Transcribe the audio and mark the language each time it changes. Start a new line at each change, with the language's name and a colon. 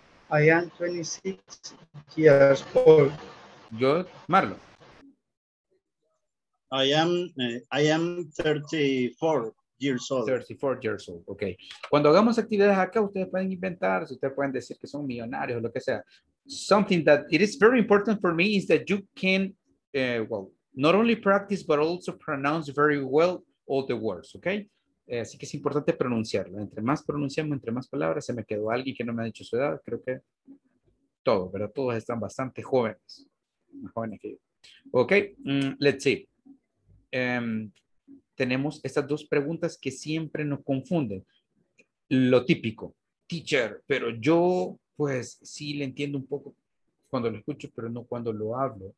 English: I am 26 years old. Good. Marlos. I am 34 years old. 34 years old, ok.
Spanish: Cuando hagamos actividades acá, ustedes pueden inventar, ustedes pueden decir que son millonarios, lo que sea.
English: Something that it is very important for me is that you can, well, not only practice, but also pronounce very well all the words, ok.
Spanish: Así que es importante pronunciarlo. Entre más pronunciamos, entre más palabras, se me quedó alguien que no me ha dicho su edad, creo que todo, pero todos están bastante jóvenes. Más jóvenes que yo.
English: Ok, let's see.
Spanish: Tenemos estas dos preguntas que siempre nos confunden. Lo típico, teacher, pero yo pues sí le entiendo un poco cuando lo escucho, pero no cuando lo hablo.